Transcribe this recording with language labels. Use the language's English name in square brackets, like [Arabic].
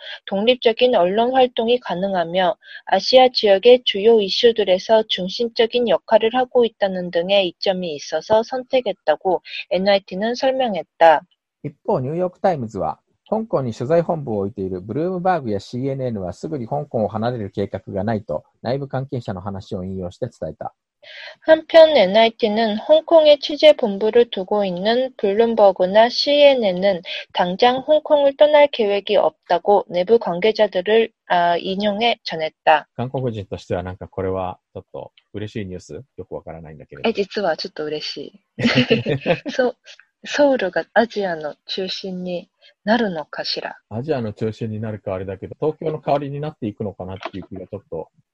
[Korean] 그중서울은외국기업에친화적이고독립적인언론활동이가능하며아시아지역의주요이슈들에서중심적인역할을하고있다는등의이점이있어서선택했다고 NIT 는설명했다。 [Japanese] 一方ニューヨークタイムズは香港に取材本部を置いているブルームバーグや CNN はすぐに香港を離れる計画がないと内部関係者の話を引用して伝えた。 [Korean] 한편 NIT 는홍콩에취재본부를두고있는블룸버그나 CNN 은당장홍콩을떠날계획이없다고내부관계자들을인용해전했다。 [Japanese] 韓国人としてはなんかこれはちょっと嬉しいニュースよくわからないんだけど。実はちょっと嬉しい。ソウルがアジアの中心になるのかしら。アジアの中心になるかあれだけど、東京の代わりになっていくのかなっていう気がちょっと。